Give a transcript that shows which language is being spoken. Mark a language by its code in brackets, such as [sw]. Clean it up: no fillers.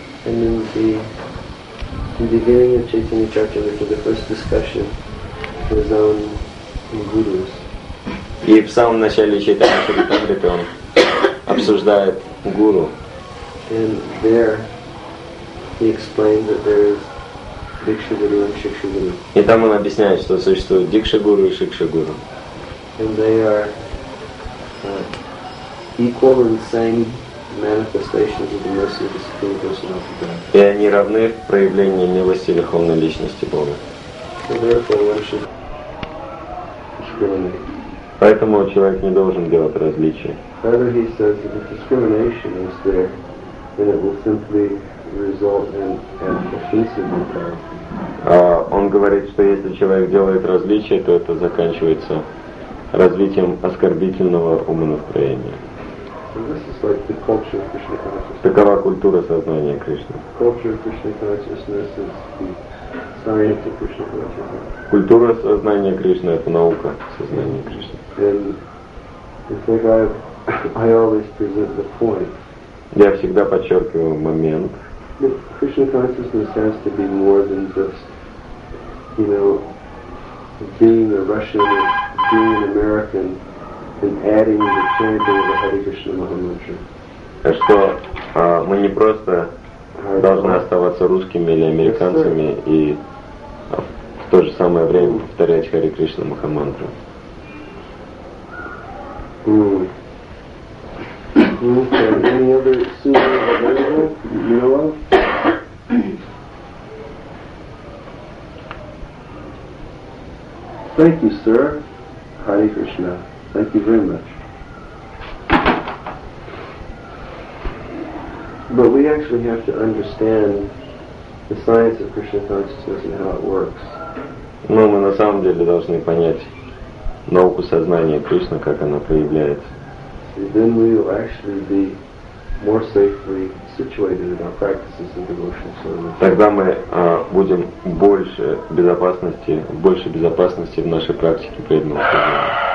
[en] And in the beginning of Chaitanya Charitamrita, the first discussion with his own gurus. [ru] И в самом начале Chaitanya Charitamrita он обсуждает гуру. [en] And there. He explained that there is Diksha Guru and Shiksha Guru. [ru] И там он объясняет, что существует Дикша Гуру и Шикша Гуру. [en] And they are equal in same manifestations of the mercy of the Supreme Personality of God. [ru] И они равны в проявлении милости Верховной Личности Бога. [en] So therefore, one should discriminate. [ru] Поэтому человек не должен делать различия. [en] Rather, he says that if discrimination is there, then it will simply result in offensive mentality. [ru] Он говорит, что если человек делает различия, то это заканчивается развитием оскорбительного умонастроения. [en] This is like the culture of Krishna consciousness. [ru] Такова культура сознания Кришны. [en] Culture of Krishna consciousness is the science of Krishna consciousness. [ru] Культура сознания Кришны — это наука сознания Кришны. [en] And I think I always present the point. [ru] Я всегда подчеркиваю момент. [en] Krishna consciousness has to be more than just, you know, being a Russian, being an American, and adding the chanting of the Hare Krishna Maha Mantra. [ru] Что мы не просто должны оставаться русскими или американцами и в то же самое время повторять Hare Krishna Maha Mantra. [en] Okay. Any other sutras available you know of? Thank you, sir. Hare Krishna. Thank you very much. But we actually have to understand the science of Krishna consciousness and how it works. [ru] Ну, мы на самом деле должны понять науку сознания Кришны, как она проявляется. [en] Then we will actually be more safely situated in our practices of devotional service. [ru] Тогда мы будем больше безопасности, больше безопасности в нашей практике преданного служения.